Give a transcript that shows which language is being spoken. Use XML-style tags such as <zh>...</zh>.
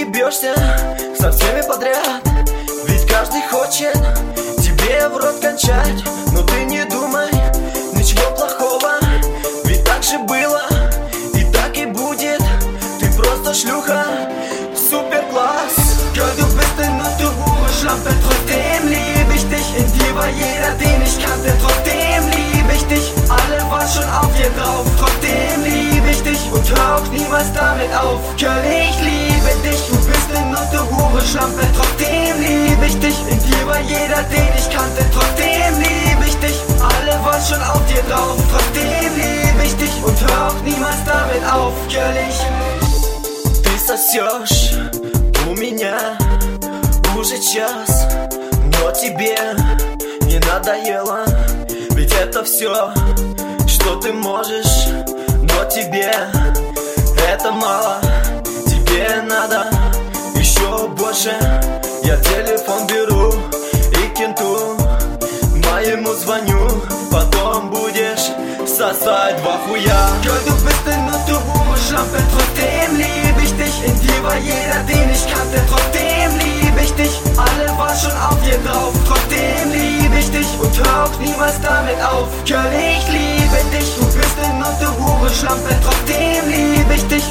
<ru>сдаешься со всеми подряд. Ведь каждый хочет тебе в рот кончать. Но ты не думай ничего плохого, ведь так же было и так и будет. Ты просто шлюха, супер класс.</ru> <de>Girl, du bist ein Autobusch, aber trotzdem lieb ich dich. In dir war jeder, den ich kannte, trotzdem lieb ich dich. Alle waren schon auf dir drauf, trotzdem lieb ich dich. Und hör auch niemals damit auf, Girl, ich liebe dich. Du bist ein Autobusch, aber trotzdem lieb ich dich. In dir war jeder, den ich kannte, trotzdem lieb ich dich. Alle waren schon auf dir drauf, trotzdem lieb ich dich. Und hör auch niemals damit auf, Girl, ich bist das Josh.</de> <ru>У меня уже час, но тебе не надоело. Ведь это все, что ты можешь, но тебе это мало. Тебе надо еще больше. Я телефон беру и кенту моему звоню. Потом будешь сосать два хуя.</ru> <de>Girl, du bist ein Autobusch, aber trotzdem lieb ich dich. In dir war jeder, den ich kannte, trotzdem lieb ich dich. Alle waren schon auf dir drauf, trotzdem lieb ich dich. Und hör auch niemals damit auf, Girl, ich liebe dich. Du bist ein Autobusch, aber trotzdem lieb ich dich.</de>